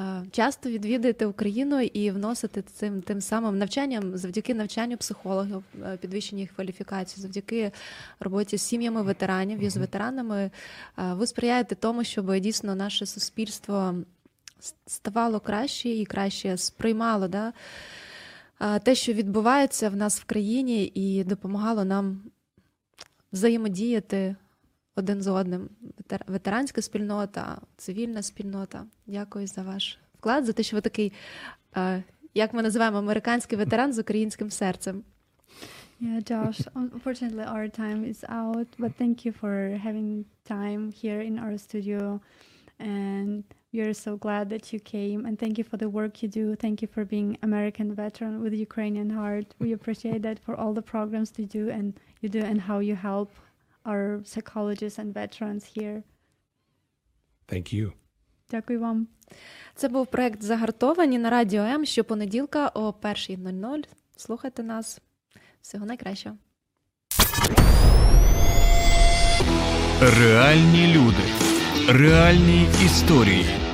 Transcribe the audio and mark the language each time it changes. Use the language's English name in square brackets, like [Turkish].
[Ukrainian] часто відвідуєте Україну і вносити цим тим самим навчанням, завдяки навчанню психологів, підвищенню кваліфікації, завдяки роботі з сім'ями ветеранів і з ветеранами, ви сприяєте тому, щоб дійсно наше суспільство ставало краще і краще сприймало, да, те, що відбувається в нас в країні, і допомагало нам взаємодіяти один з одним. Ветеранська спільнота, цивільна спільнота. Дякую за ваш вклад, за те, що ви такий, як ми називаємо, американський ветеран з українським серцем. [English] Yeah, Josh, unfortunately our time is out, but thank you for having time here in our studio. And we are so glad that you came, and thank you for the work you do. Thank you for being American veteran with Ukrainian heart. We appreciate that for all the programs you do and how you help our psychologists and veterans here. Thank you. [Ukrainian] Дякую вам. Це був проект «Загартовані» на Радіо М. Щопонеділка о 1:00. Слухайте нас. Всього найкращого. Реальні люди. Реальні історії.